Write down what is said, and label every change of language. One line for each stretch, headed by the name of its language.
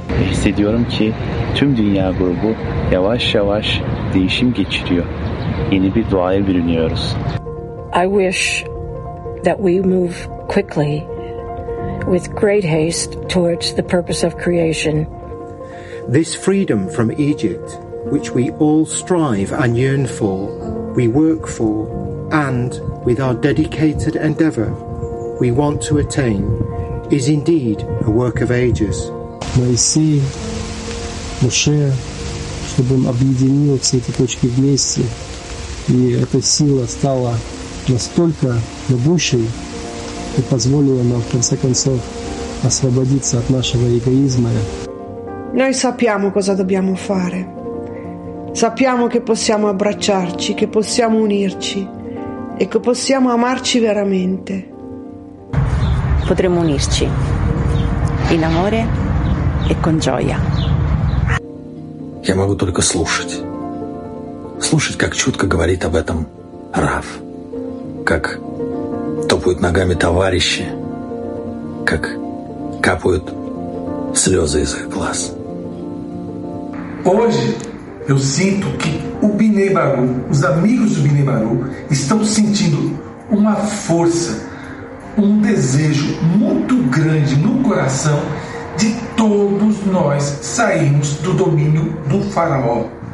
Turkish: Hissediyorum ki tüm dünya grubu yavaş yavaş değişim geçiriyor. Yeni bir doğaya bürünüyoruz.
English: I wish that we move quickly with great haste towards the purpose of creation. This freedom from Egypt, which we all strive and yearn for, we work for, and with our dedicated endeavor we want to attain, is indeed a work of ages.
Russian: Моисей, Моше, чтобы объединил все эти точки вместе, и эта сила стала настолько могучей, и позволила нам в конце концов освободиться от нашего эгоизма.
Italian: Noi sappiamo cosa dobbiamo fare. Sappiamo che possiamo abbracciarci, che possiamo unirci. Ecco, possiamo amarci veramente. Potremmo unirci in amore e con gioia.
Russian: Я могу только слушать. Слушать, как чутко говорит об этом Рав. Как топают ногами товарищи. Как капают слёзы из их глаз.
Portuguese: Hoje eu sinto que o Bnei Baruch, os amigos do Bnei Baruch, estão sentindo uma força, um desejo muito grande no coração de todos nós sairmos do domínio do faraó.